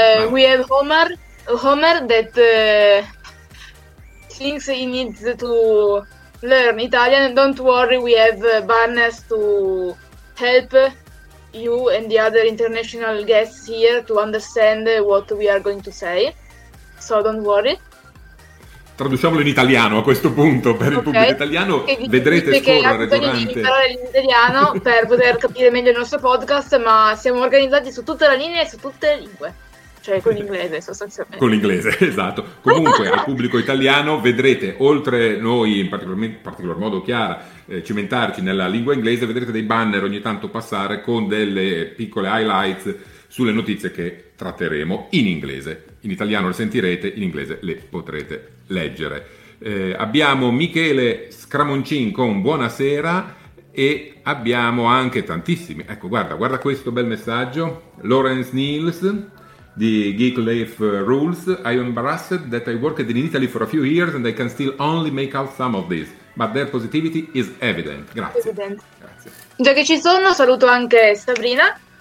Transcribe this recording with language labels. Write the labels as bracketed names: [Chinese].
[English] We have Homer that thinks he needs to learn Italian. Don't worry, we have banners to help you and the other international guests here to understand what we are going to say. So don't worry. [Italian] Traduciamolo in italiano a questo punto per il pubblico italiano, che vedrete scorrere durante... Abbiamo bisogno di imparare l'italiano per poter capire meglio il nostro podcast, ma siamo organizzati su tutta la linea e su tutte le lingue, cioè con l'inglese sostanzialmente. Con l'inglese, esatto. Comunque al pubblico italiano vedrete, oltre noi in particolar modo Chiara, cimentarci nella lingua inglese, vedrete dei banner ogni tanto passare con delle piccole highlights sulle notizie che tratteremo in inglese. In italiano le sentirete, in inglese le potrete leggere. Abbiamo Michele Scramoncin con buonasera e abbiamo anche tantissimi. Ecco, guarda questo bel messaggio. Lawrence Niels di Geek Life Rules. [English] I am embarrassed that I worked in Italy for a few years and I can still only make out some of this, but their positivity is evident. [Italian] Grazie. Grazie. Già che ci sono, saluto anche Sabrina.